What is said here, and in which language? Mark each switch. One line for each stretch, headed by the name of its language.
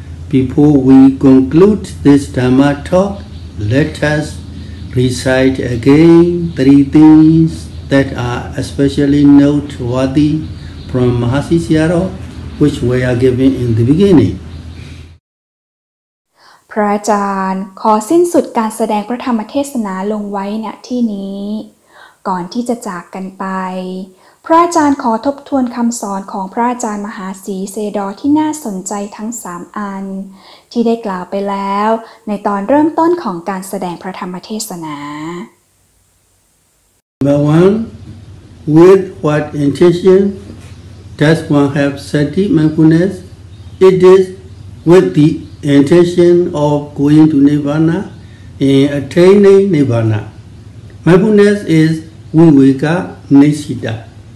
English: Before we conclude this Dharma talk, let us recite again three things that are especially noteworthy from Mahasisyaro, which we are giving in the beginning.
Thai: พระอาจารย์ขอสิ้นสุดการแสดงพระธรรมเทศนาลงไว้ณที่นี้ก่อนที่จะจากกันไปพระอาจารย์ขอทบทวนคำสอนของพระอาจารย์มหาสีเซดอที่น่าสนใจทั้ง3อันที่ได้กล่าวไปแล้วในตอนเริ่มต้นของการแสดงพระธรรมเทศนา
English: Number one, with what intention does one have sati mindfulness? It is with theintention of going to Nirvana and attaining Nirvana. Mindfulness is Viveka Nishita.